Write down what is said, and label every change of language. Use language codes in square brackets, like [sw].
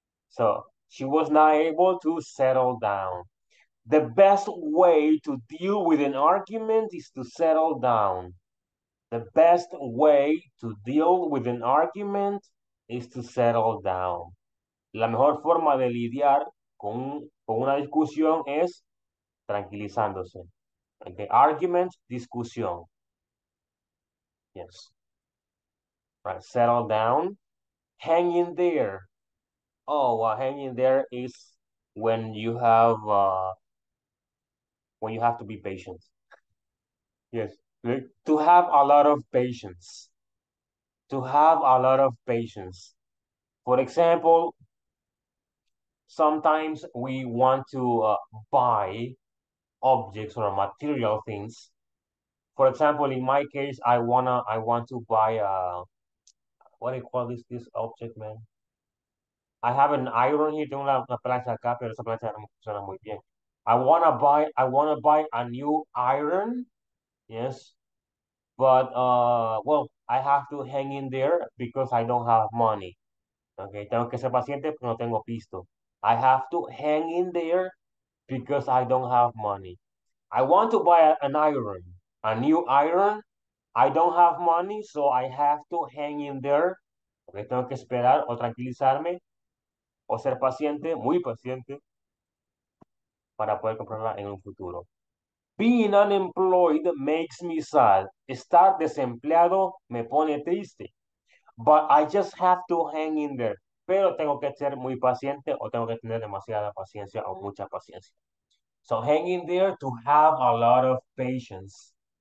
[en] So she was not able to settle down. The best way to deal with an argument is to settle down. The best way to deal with an argument is to settle down. [es] La mejor forma de lidiar con una discusión es tranquilizándose. [en] Okay, argument, discusión. Yes. Right, settle down, hang in there. Oh, well, hang in there is when you have to be patient. Yes, to have a lot of patience. To have a lot of patience. For example, sometimes we want to buy objects or material things. For example, in my case, I want to buy a. What do you call this object, man? I have an iron here. [es] Tengo una plancha acá, pero esa plancha no funciona muy bien. [en] I wanna buy a new iron, yes. But well, I have to hang in there because I don't have money. [es] Okay, tengo que ser paciente porque no tengo pisto. [en] I have to hang in there because I don't have money. I want to buy a new iron. I don't have money, so I have to hang in there. [es] Okay, tengo que esperar o tranquilizarme o ser paciente, muy paciente, para poder comprarla en un futuro. [en] Being unemployed makes me sad. [es] Estar desempleado me pone triste. [en] But I just have to hang in there. [es] Pero tengo que ser muy paciente o tengo que tener demasiada paciencia o mucha paciencia. [en] So hang in there to have a lot of patience.